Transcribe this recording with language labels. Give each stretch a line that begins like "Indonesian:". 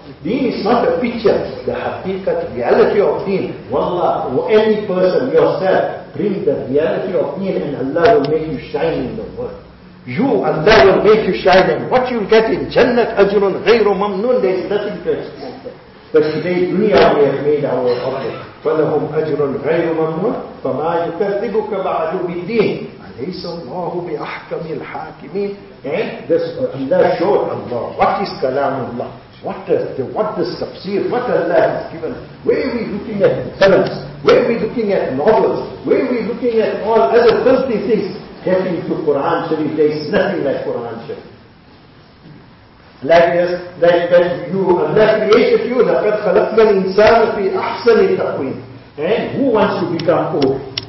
English: Deen is not a picture, the haqiqat, reality of deen. Wallah, any person, yourself, bring the reality of deen and Allah will make you shine in the world. You, Allah will make you shine and what you get in Jannat, Ajrun, Ghayru, Mamnoon, there is nothing to explain. But today, dunya we have made our object.
Arabic: فَلَهُمْ أَجْرٌ غَيْرُ مَمْنُونَ فَمَا يُكَذِّبُكَ بَعْدُ بِالدِّينِ أَلَيْسَ اللَّهُ بِأَحْكَمِ الْحَاكِمِينَ
English: And this Allah showed Allah, what is kalamu Allah? What is tafsir? What Allah has given? Where are we looking at films? Where are we looking at novels? Where are we looking at all other filthy things? Getting to Quran Sharif, there is nothing like Quran Sharif. Like this, like that you, Allah created you,
Arabic: لَقَدْ خَلَقْنَا الْإِنسَانَ فِي أَحْسَنِ تَقْوِيمِ
English: And who wants to become old?